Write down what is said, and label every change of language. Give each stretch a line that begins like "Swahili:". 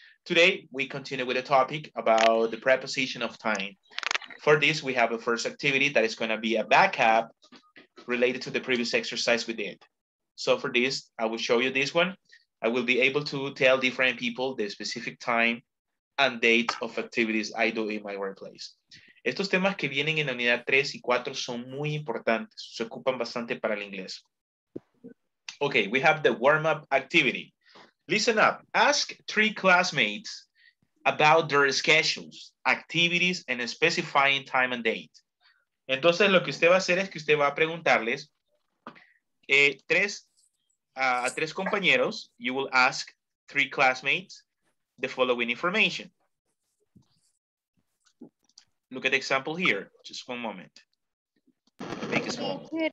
English: Today, we continue with a topic about the preposition of time. For this, we have a first activity that is going to be a backup related to the previous exercise we did. So for this, I will show you this one. I will be able to tell different people the specific time and date of activities I do in my workplace.
Spanish: Estos temas que vienen en la unidad 3 y 4 son muy importantes. Se ocupan bastante para el inglés.
English: Okay, we have the warm-up activity. Listen up. Ask 3 classmates about their schedules, activities, and specifying time and date.
Spanish: Entonces, lo que usted va a hacer es que usted va a preguntarles a tres compañeros.
English: You will ask 3 classmates the following information. Look at the example here. Just one moment. Make it small.